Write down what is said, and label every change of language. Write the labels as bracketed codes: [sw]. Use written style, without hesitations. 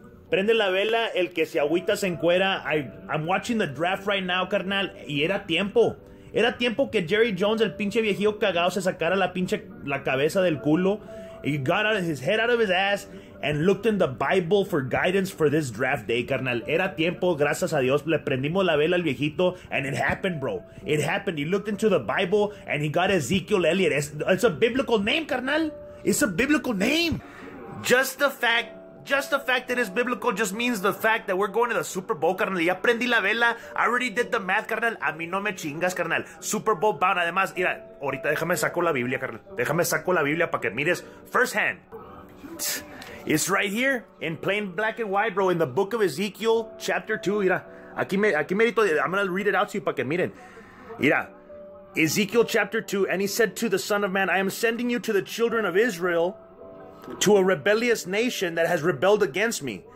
[es] Prende la vela, el que se agüita se encuera. [en] I'm watching the draft right now, [es] carnal. Y era tiempo. Era tiempo que Jerry Jones, el pinche viejillo cagado, se sacara la cabeza del culo. [en] He got out of his head out of his ass and looked in the Bible for guidance for this draft day, carnal. [es] Era tiempo, gracias a Dios, le prendimos la vela al viejito, [en] and it happened, bro. It happened. He looked into the Bible and he got Ezekiel Elliott. It's a biblical name, carnal. It's a biblical name. Just the fact that it's biblical just means the fact that we're going to the Super Bowl, carnal. [es] Ya prendí la vela. [en] I already did the math, [es] carnal. A mí no me chingas, carnal. [en] Super Bowl bound. [es] Además, mira, ahorita déjame saco la Biblia, carnal. Déjame saco la Biblia para que mires [en] first hand. It's right here in plain black and white, bro. In the book of Ezekiel, chapter 2. [es] Mira, aquí merito. [en] I'm going to read it out to you [es] para que miren. [en] Mira, Ezekiel chapter 2. And he said to the Son of Man, I am sending you to the children of Israel, to a rebellious nation that has rebelled against me.